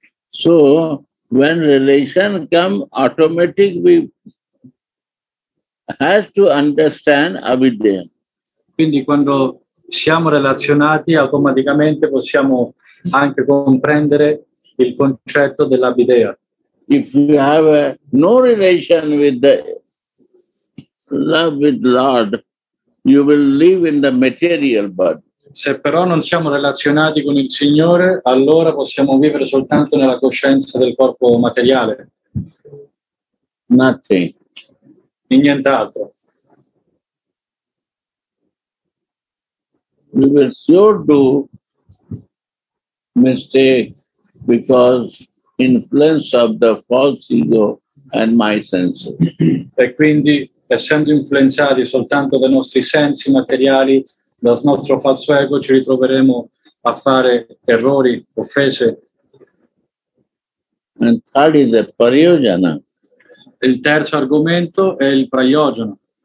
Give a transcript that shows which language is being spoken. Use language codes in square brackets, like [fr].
[en] So when relation come automatic, we have to understand avideya. [it] Quindi quando siamo relazionati automaticamente possiamo anche comprendere il concetto dell'avideya. [en] If you have no relation with the love with Lord, you will live in the material body. [it] Se però non siamo relazionati con il Signore, allora possiamo vivere soltanto nella coscienza del corpo materiale. [en] Nothing. [it] E nient'altro. [en] We will sure do mistake because influence of the false ego and my senses. [it] E quindi, essendo influenzati soltanto dai nostri sensi materiali, dal nostro falso ego, ci ritroveremo a fare errori, offese. [en] And third is the prayojana. [it] Il terzo argomento è il prayojana.